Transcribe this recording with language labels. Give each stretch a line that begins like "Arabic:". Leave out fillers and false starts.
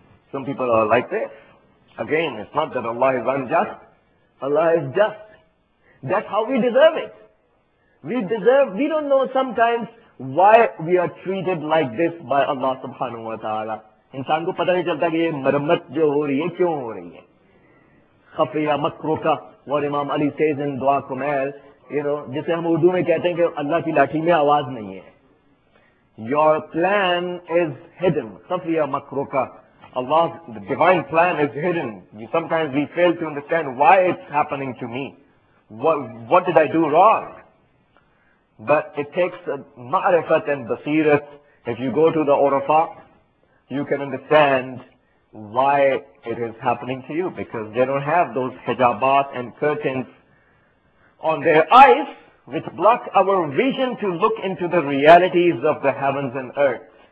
English: Some people are like this. Again, it's not that Allah is unjust. Allah is just. That's how we deserve it. We don't know sometimes why we are treated like this by Allah subhanahu wa ta'ala.
Urdu: انسان کو پتہ نہیں چلتا کہ یہ مرمت جو ہو رہی ہے کیوں ہو رہی ہے
Arabic: خفیہ مکرو کا
Urdu: اور امام علی سیز ان دعا کمیر جسے ہم اردو میں کہتے ہیں کہ اللہ کی لاٹھی میں آواز نہیں ہے
English: Your plan is hidden.
Arabic: خفیہ مکرو کا
English: Allah's divine plan is hidden. Sometimes we fail to understand why it's happening to me. What did I do wrong? But it takes ma'rifat and basirat. If you go to the urafa, you can understand why it is happening to you, because they don't have those hijabat and curtains on their eyes which block our vision to look into the realities of the heavens and earth.